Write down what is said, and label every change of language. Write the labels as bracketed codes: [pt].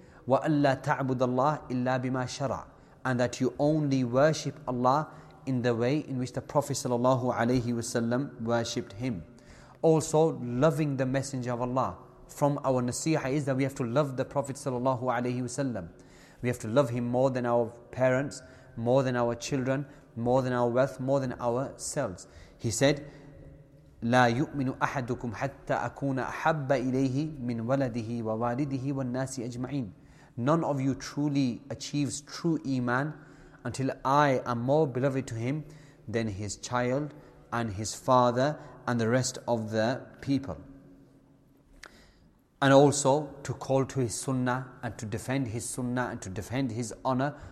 [ar] وَأَلَّا تَعْبُدَ اللَّهِ إِلَّا بِمَا شَرَعَ, [en] and that you only worship Allah in the way in which the Prophet sallallahu alayhi wasallam worshipped him. Also, loving the Messenger of Allah. From our nasiha is that we have to love the Prophet sallallahu alayhi wasallam. We have to love him more than our parents, more than our children, more than our wealth, more than ourselves. He said, [ar] لَا يُؤْمِنُ أَحَدُكُمْ حَتَّى أَكُونَ أَحَبَّ إِلَيْهِ مِنْ وَلَدِهِ وَوَالِدِهِ وَالنَّاسِ أَجْمَعِينَ. [en] None of you truly achieves true iman until I am more beloved to him than his child and his father and the rest of the people. And also to call to his sunnah and to defend his sunnah and to defend his honor